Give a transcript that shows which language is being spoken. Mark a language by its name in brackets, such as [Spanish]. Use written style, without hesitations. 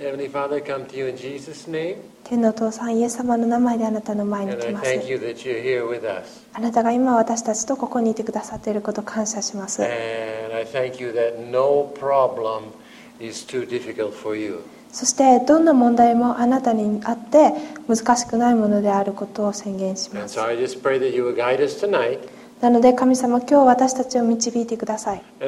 [English] Heavenly Father, come to you in Jesus' name. [Japanese] 天の父さん、イエス様の名前であなたの前に来ます。 [English] And I thank you that you're here with us. [Japanese] あなたが今私たちとここにいてくださっていることを感謝します。 [English] And I thank you that no problem is too difficult for you. [Japanese] そしてどんな問題もあなたにあって難しくないものであることを宣言します。 [English] So、 [Japanese] なので神様、今日私たちを導いてください。